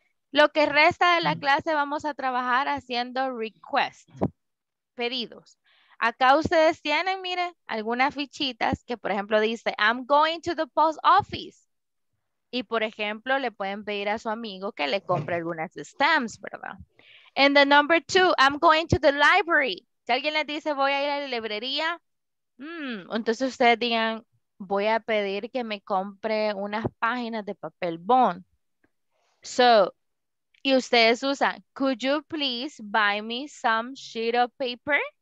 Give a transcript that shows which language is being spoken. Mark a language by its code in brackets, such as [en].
[es] Lo que resta de la clase vamos a trabajar haciendo requests, pedidos. Acá ustedes tienen, mire, algunas fichitas que, por ejemplo, dice, [en] I'm going to the post office. [es] Y, por ejemplo, le pueden pedir a su amigo que le compre algunas stamps, ¿verdad? [en] And the number two, I'm going to the library. [es] Si alguien les dice, voy a ir a la librería, entonces ustedes digan, voy a pedir que me compre unas páginas de papel bond. [en] So, [es] y ustedes usan, [en] could you please buy me some sheet of paper?